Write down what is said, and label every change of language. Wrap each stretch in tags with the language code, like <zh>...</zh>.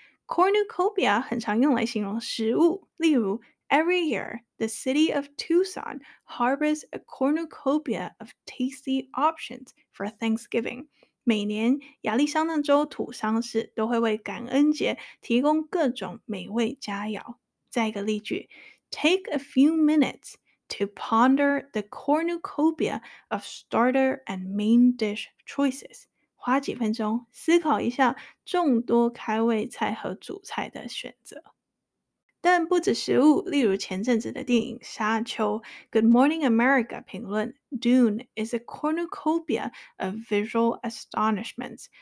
<en>Cornucopia</en> <zh>很常用来形容食物，例如</zh> <en>Every year the city of Tucson harvests a cornucopia of tasty options for Thanksgiving，</en> <zh>每年亚利桑那州土商市都会为感恩节提供各种美味佳肴。再一个例句，</zh> <en>Take a few minutes to ponder the cornucopia of starter and main dish choices.</en> <zh>花几分钟思考一下众多开胃菜和主菜的选择。但不止食物，例如前阵子的电影《沙丘》，</zh> <en>Good Morning America</en> <zh>评论</zh> <en>，Dune is a cornucopia of visual astonishments.</en>